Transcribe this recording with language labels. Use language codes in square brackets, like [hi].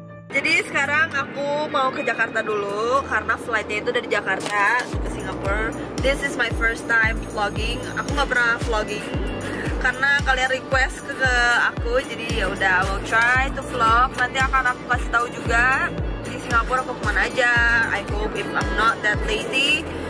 [id] Jadi sekarang aku mau ke Jakarta dulu karena flightnya itu dari Jakarta ke Singapura. [en] This is my first time vlogging. [id] Aku nggak pernah vlogging karena kalian request ke aku. Jadi ya udah, [en] I will try to vlog. [id] Nanti akan aku kasih tahu juga di Singapura aku kemana aja. [en] I hope if I'm not that lazy.